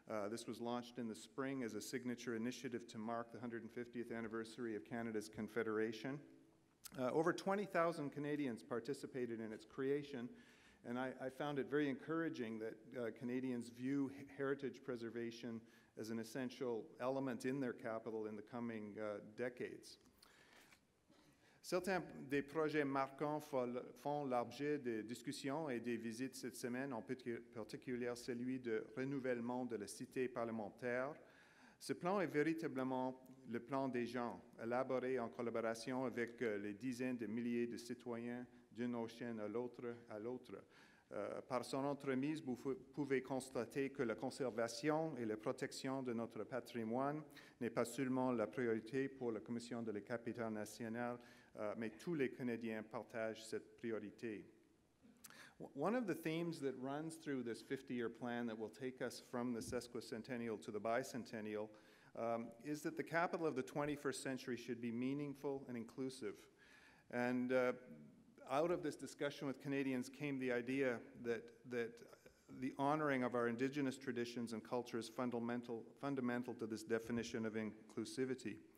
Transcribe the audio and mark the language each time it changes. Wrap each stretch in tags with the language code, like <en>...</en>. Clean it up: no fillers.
<en>This was launched in the spring as a signature initiative to mark the 150th anniversary of Canada's Confederation. Over 20,000 Canadians participated in its creation, and I found it very encouraging that Canadians view heritage preservation as an essential element in their capital in the coming decades.</en> <fr>Certains des projets marquants font l'objet de discussions et des visites cette semaine, en particulier celui de renouvellement de la cité parlementaire. Ce plan est véritablement le plan des gens, élaboré en collaboration avec les dizaines de milliers de citoyens d'une chaîne à l'autre. Par son entremise, vous pouvez constater que la conservation et la protection de notre patrimoine n'est pas seulement la priorité pour la Commission de la capitale nationale mais tous les Canadiens partagent cette priorité.</fr> <en>One of the themes that runs through this 50-year plan that will take us from the sesquicentennial to the bicentennial is that the capital of the 21st century should be meaningful and inclusive. And out of this discussion with Canadians came the idea that the honoring of our Indigenous traditions and culture is fundamental to this definition of inclusivity.</en>